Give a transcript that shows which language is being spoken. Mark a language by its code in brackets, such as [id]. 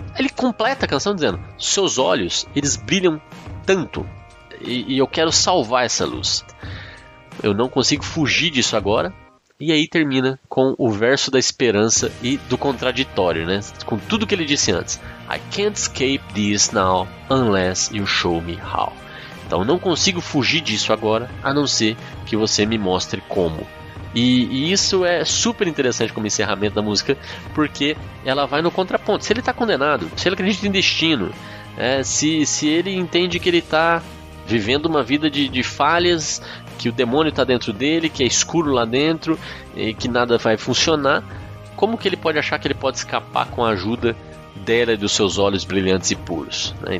[pt] Ele completa a canção dizendo, seus olhos, eles brilham tanto e eu quero salvar essa luz. Eu não consigo fugir disso agora. E aí termina com o verso da esperança e do contraditório, né? Com tudo que ele disse antes. [en] I can't escape this now unless you show me how. [pt] Então, não consigo fugir disso agora, a não ser que você me mostre como. E isso é super interessante como encerramento da música, porque ela vai no contraponto. Se ele está condenado, se ele acredita em destino, se ele entende que ele está vivendo uma vida de falhas, que o demônio está dentro dele, que é escuro lá dentro, e que nada vai funcionar, como que ele pode achar que ele pode escapar com a ajuda dela e dos seus olhos brilhantes e puros, né?